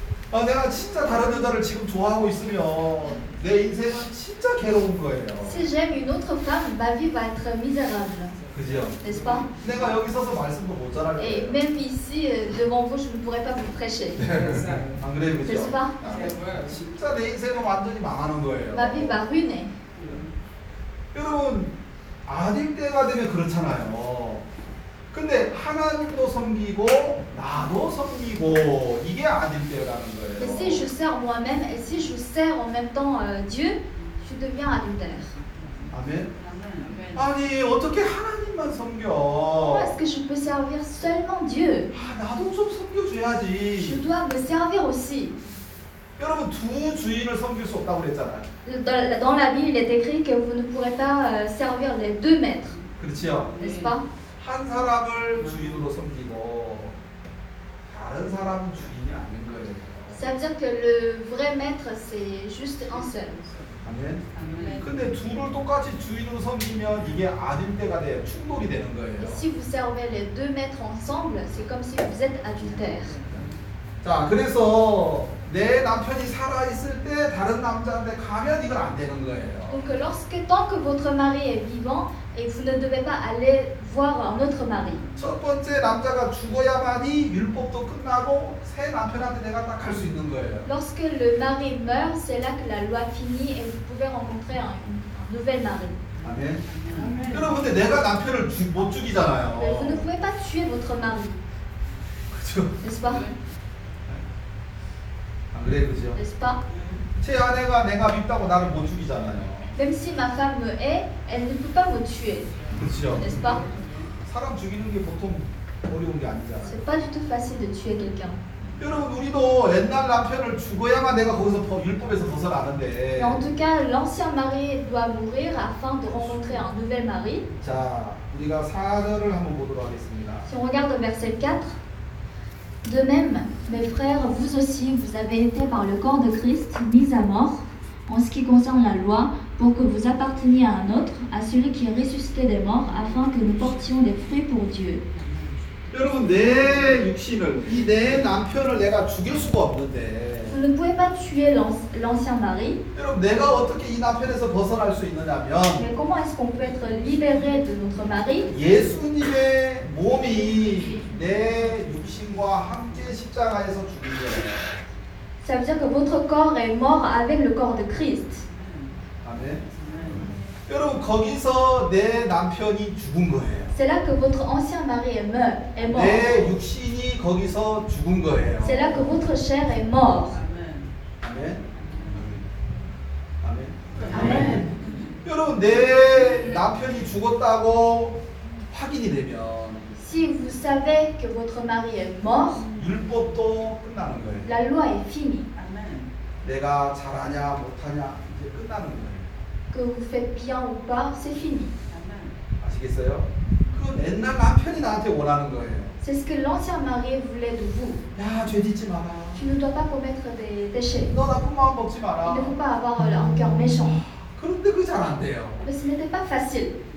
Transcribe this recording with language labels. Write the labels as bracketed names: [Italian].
[Korean] 아, 내가 진짜 다른 여자를 지금 좋아하고 있으면 내 인생은 진짜 괴로운 거예요. [French] Si j'aime une autre femme, ma vie va être misérable. [Korean] 그죠? [French] N'est-ce pas? [Korean] 내가 여기 서서 말씀도 못 전할 거예요. [French] Et même ici, devant vous, je ne pourrais pas vous prêcher. [Korean] 안 그래요, 그죠? [French] N'est-ce pas? 아, [Korean] 진짜 내 인생은 완전히 망하는 거예요. [French] Ma vie va ruiner. [Korean] 여러분, 아들 때가 되면 그렇잖아요. 근데 하나님도 섬기고 나도 섬기고 이게 아들대라는 거예요. [French] Et si je sers moi-même et si je sers en même temps Dieu, je deviens adultère. [Korean] 아멘. 아니 어떻게 하나님만 섬겨? [French] Comment est-ce que je peux servir seulement Dieu? [Korean] 아, 나도 좀 섬겨줘야지. [French] Je dois me servir aussi. [Korean] 여러분 두 주인을 섬길 수 없다고 그랬잖아요. [French] Dans la Bible, il est écrit que vous ne pourrez pas servir les deux maîtres. [Korean] 그렇죠. [French] N'est-ce pas? [Korean] 한 사람을 주인으로 섬기고 다른 사람은 주인이 아닌 거예요. [French] Ça veut dire que le vrai maître c'est juste un seul. [Korean] 아멘. 근데 둘을 똑같이 주인으로 섬기면 이게 아들대가 돼요. 충돌이 되는 거예요. [French] Si vous servez les deux maîtres ensemble, c'est comme si vous êtes adultère. [Korean] 자, 그래서 내 남편이 살아 있을 때 다른 남자한테 가면 이건 안 되는 거예요. [French] Donc lorsque tant que votre mari est vivant et vous ne devez pas aller voir un autre mari. [Korean] 첫 번째 남자가 죽어야만이 율법도 끝나고 새 남편한테 내가 딱 갈 수 있는 거예요. [French] Lorsque le mari meurt, c'est là que la loi finit et vous pouvez rencontrer un nouvel mari. [Korean] 아멘. 여러분, 근데 내가 남편을 못 죽이잖아요. [French] Vous ne pouvez pas tuer votre mari. [Korean] 그렇죠. [French] N'est-ce pas? [Korean] 안 그래요, 그죠? [French] N'est-ce pas? [Korean] 제 아내가 내가 믿다고 나를 못 죽이잖아요. [French] Même si ma femme est, elle ne peut pas me tuer. [Korean] 그렇죠. [French] N'est-ce pas? [Korean] 사람 죽이는 게 보통 어려운 게 아니잖아요. [French] C'est pas du tout facile de tuer quelqu'un. [Korean] 여러분, 우리도 옛날 남편을 죽어야만 내가 거기서 율법에서 벗어나는데. [French] En tout cas, l'ancien mari doit mourir afin de rencontrer un nouvel mari. 자, 우리가 4절을 한번 보도록 하겠습니다. Si on regarde verset 4. De même, mes frères, vous aussi, vous avez été par le corps de Christ mis à mort en ce qui concerne la loi, pour que vous apparteniez à un autre, à celui qui est ressuscité des morts, afin que nous portions des fruits pour Dieu. [Korean] 여러분, 내 육신을, 이 내 남편을 내가 죽일 수가 없는데. [French] Vous ne pouvez pas tuer l'ancien mari. [Korean] 여러분, 내가 어떻게 이 남편에서 벗어날 수 있느냐면. [French] Mais comment est-ce qu'on peut être libéré de notre mari? [Korean] 예수님의 몸이 내 육신과 함께 십자가에서 죽은 거예요. [French] Ça veut dire que votre corps est mort avec le corps de Christ. [Korean] 아멘. 여러분, 거기서 내 남편이 죽은 거예요. [French] C'est là que votre ancien mari est mort. [Korean] 내 육신이 거기서 죽은 거예요. [French] C'est là que votre chair est mort. [Korean] 아멘. 아멘. 아멘. 여러분, 내 남편이 죽었다고 확인이 되면 [French] Si vous savez que votre mari est mort, [Korean] 율법도 끝나는 거예요. [French] La loi est finie. [Korean] 내가 잘하냐 못하냐 이제 끝나는 거예요. [French] Que vous faites bien ou pas, c'est fini. [Korean] 아시겠어요? 그건 옛날 남편이 나한테 원하는 거예요. [French] C'est ce que l'ancien mari voulait de vous. [Korean] 야, 죄 짓지 마라. [French] Tu ne dois pas commettre des péchés. [Korean] 너 나쁜 마음 먹지 마라. [French] Il ne faut pas avoir un cœur méchant. [Korean] 그런데 그게 잘 안 돼요. [French] Mais ce n'était pas facile.